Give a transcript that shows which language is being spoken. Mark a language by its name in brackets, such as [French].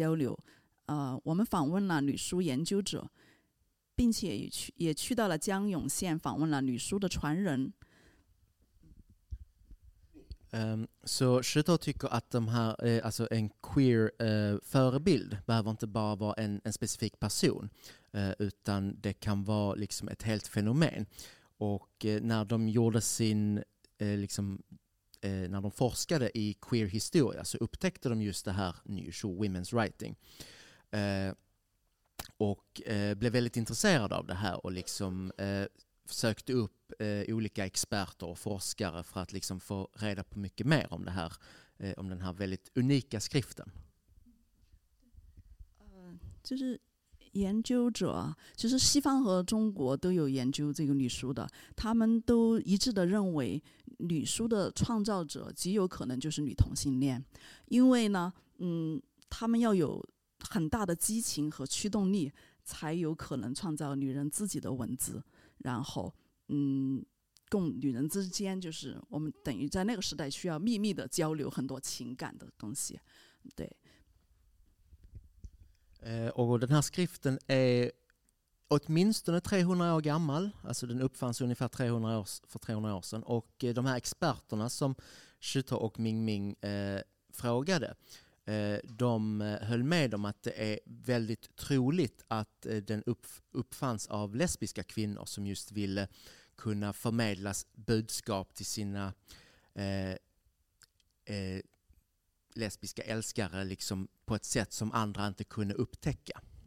[Chinese] 对于我们来说，就是库尔榜样，也许不仅指某一个人带给我们的影响。我们去搜寻历史，发现了吕书，它是一种女人自己创造的文字，起源于300多年前中国的江永县，主要用于女人跟女人之间的交流。我们访问了吕书研究者，并且也去到了江永县访问了吕书的传人。 [Swedish] Så Shuto tycker att de här, alltså en queer förebild behöver inte bara vara en specifik person, utan det kan vara liksom ett helt fenomen. Och när de gjorde sin liksom, när de forskade i queer historia, så upptäckte de just det här [English] New Women's Writing. [Swedish] Och blev väldigt intresserad av det här och liksom sökte upp olika experter och forskare för att liksom få reda på mycket mer om det här, om den här väldigt unika skriften. [Chinese] 研究者就是西方和中国都有研究这个女书的，他们都一致的认为女书的创造者极有可能就是女同性恋，因为呢，他们要有很大的激情和驱动力才有可能创造女人自己的文字，然后共女人之间就是我们等于在那个时代需要秘密的交流很多情感的东西，对。 [Swedish] Och den här skriften är åtminstone 300 år gammal, alltså den uppfanns ungefär 300 år, för 300 år sedan. Och de här experterna som Shuto och Ming Ming frågade, de höll med om att det är väldigt troligt att den uppfanns av lesbiska kvinnor som just ville kunna förmedla budskap till sina lesbiska älskare liksom på ett sätt som andra inte kunde upptäcka.